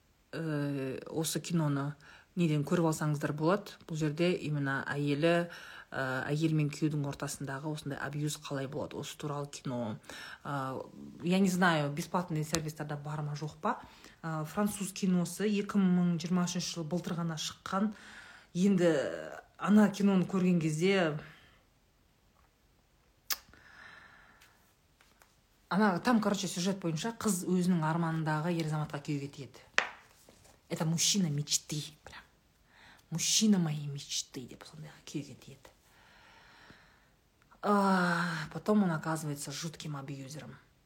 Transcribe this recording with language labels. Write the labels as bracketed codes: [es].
[kk] Осы киноны неден көріп алсаңыздар болады. Бұл жерде именно әйелі, әйел мен күйеудің ортасындағы осындай абьюз қалай болады, осы туралы кино. [ru] Я не знаю, [kk] бесплатный сервистарда бар ма, жоқ па. Француз киносы 2023 жылы былтыр ғана шыққан. Енді ана киноны көрген кезде сюжет бойынша қыз өзінің арманындағы ер-азаматқа күйеуге тиеді. [ru] Это мужчина мечты. Мужчина моей мечты [kk] деп сондай күйеуге тиеді. [ru] Потом он оказывается жутким абьюзером.